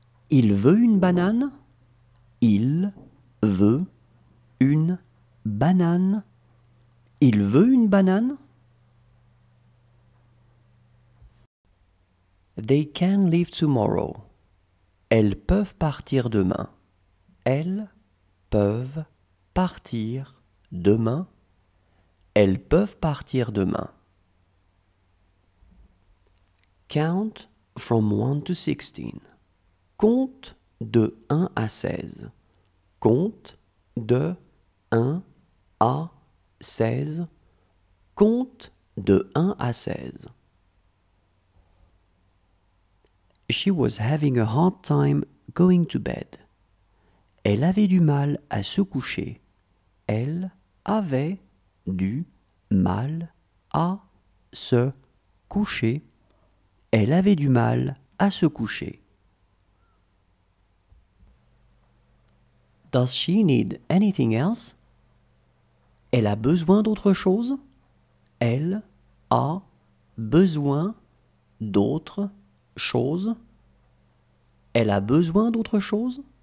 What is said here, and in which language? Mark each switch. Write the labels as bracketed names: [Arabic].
[French] Il veut une banane. Il veut une banane. Il veut une banane. [English] They can leave tomorrow. [French] Elles peuvent partir demain. Elles peuvent partir demain. Elles peuvent partir demain. [English] Count from 1 to 16. [French] Compte de 1 à 16. Compte de 1 à 16. Compte de 1 à 16. [English] She was having a hard time going to bed. [French] Elle avait du mal à se coucher. Elle avait du mal à se coucher. Elle avait du mal à se coucher. [English] Does she need anything else? [French] Elle a besoin d'autre chose? Elle a besoin d'autre chose? Elle a besoin d'autre chose?